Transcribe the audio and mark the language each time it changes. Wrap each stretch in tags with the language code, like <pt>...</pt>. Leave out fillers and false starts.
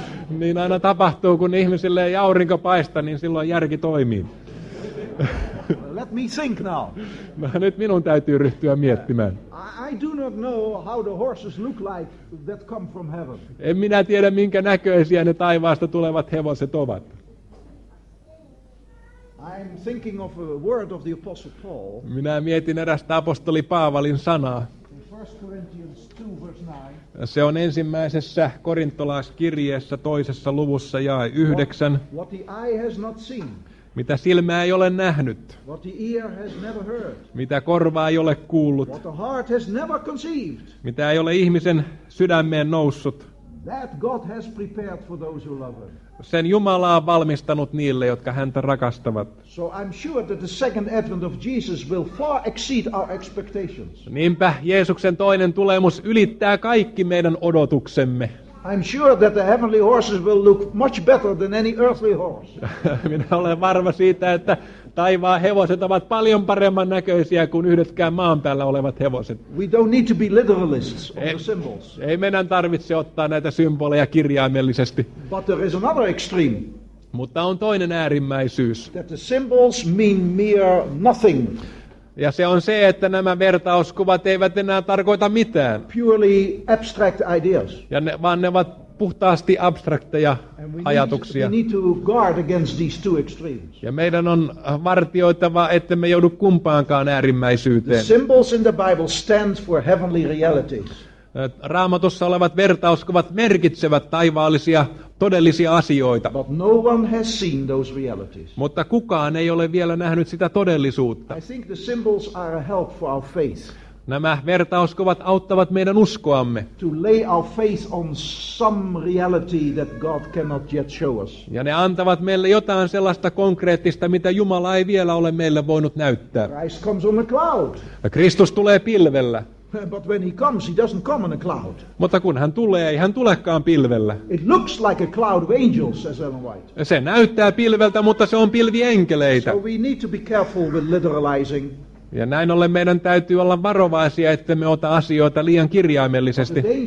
<fi>Niin aina tapahtuu, kun ihmisille ei aurinko paista, niin silloin järki toimii.</fi> <en>Let me think now.</en> <fi>No, nyt minun täytyy ryhtyä miettimään.</fi> <en>I do not know how the horses look like that come from heaven.</en> <fi>En minä tiedä, minkä näköisiä ne taivaasta tulevat hevoset ovat.</fi> <en>I'm thinking of a word of the apostle Paul.</en> <fi>Minä mietin erästä apostoli Paavalin sanaa.</fi> <en>In 1 Corinthians 2 verse 9.</en> <fi>Se on ensimmäisessä korintolaiskirjeessä toisessa luvussa jae 9.</fi> <en>What the eye has not seen.</en> <fi>Mitä silmä ei ole nähnyt.</fi> <en>What the ear has never heard.</en> <fi>Mitä korva ei ole kuullut.</fi> <en>What the heart has never conceived.</en> <fi>Mitä ei ole ihmisen sydämeen noussut.</fi> <en>That God has prepared for those who love him.</en> <fi>Sen Jumala on valmistanut niille, jotka häntä rakastavat.</fi> <en>So I'm sure that the second advent of Jesus will far exceed our expectations.</en> <fi>Niinpä Jeesuksen toinen tulemus ylittää kaikki meidän odotuksemme.</fi> <en>I'm sure that the heavenly horses will look much better than any earthly horse.</en> <fi>Minä olen varma siitä, että taivaan hevoset ovat paljon paremman näköisiä kuin yhdetkään maan päällä olevat hevoset.</fi> <en>We don't need to be literalists of the symbols.</en> <fi>Ei meidän tarvitse ottaa näitä symboleja kirjaimellisesti.</fi> <en>But there is another extreme.</en> <fi>Mutta on toinen äärimmäisyys.</fi> <en>That the symbols mean mere nothing.</en> <fi>Ja se on se, että nämä vertauskuvat eivät enää tarkoita mitään.</fi> <en>Purely abstract ideas.</en> <fi>Ja vaan ne ovat puhtaasti abstrakteja ajatuksia.</fi> <en>We need to guard against these two extremes.</en> <fi>Ja meidän on vartioitava, ettemme joudu kumpaankaan äärimmäisyyteen.</fi> <en>The symbols in the Bible stand for heavenly realities.</en> <fi>Raamatussa olevat vertauskuvat merkitsevät taivaallisia todellisia asioita.</fi> <en>But no one has seen those realities.</en> <fi>Mutta kukaan ei ole vielä nähnyt sitä todellisuutta.</fi> <en>I think the symbols are a help for our faith.</en> <fi>Nämä vertauskuvat auttavat meidän uskoamme.</fi> <en>To lay our faith on some reality that God cannot yet show us.</en> <fi>Ja ne antavat meille jotain sellaista konkreettista, mitä Jumala ei vielä ole meille voinut näyttää.</fi> <en>Christ comes on the cloud.</en> <fi>Kristus tulee pilvellä.</fi> <en>But when he comes, he doesn't come on a cloud.</en> <fi>Mutta kun hän tulee, ei hän tulekaan pilvellä.</fi> <en>It looks like a cloud of angels, says Ellen White.</en> <fi>Se näyttää pilveltä, mutta se on pilvi enkeleitä.</fi> <en>So we need to be careful with literalizing.</en> <fi>Ja näin ollen meidän täytyy olla varovaisia, että me ota asioita liian kirjaimellisesti.</fi>